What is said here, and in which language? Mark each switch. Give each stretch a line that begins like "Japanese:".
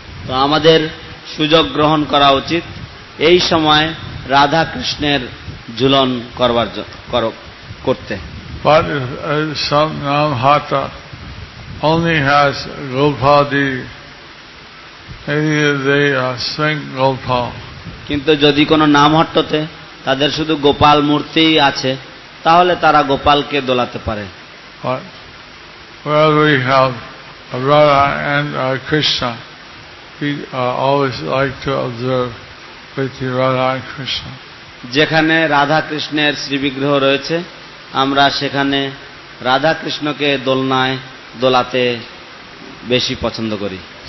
Bangla: তো আমাদের সুযোগ গ্রহণ করা উচিত এই সময় রাধা কৃষ্ণের ঝুলন করবার করতে।
English: But if some Namhata only has Gopadi, maybe they are swing Gopal.
Bangla: কিন্তু যদি কোনো নামহট্টতে তাদের শুধু গোপাল মূর্তি আছে তাহলে তারা গোপালকে দোলাতে পারে।
English: Well, we have a Radha and a Krishna. We always like to observe with Radha and Krishna.
Bangla: যেখানে রাধা কৃষ্ণের শ্রীবিগ্রহ রয়েছে আমরা সেখানে রাধা কৃষ্ণকে দোলনায় দোলাতে বেশি পছন্দ করি।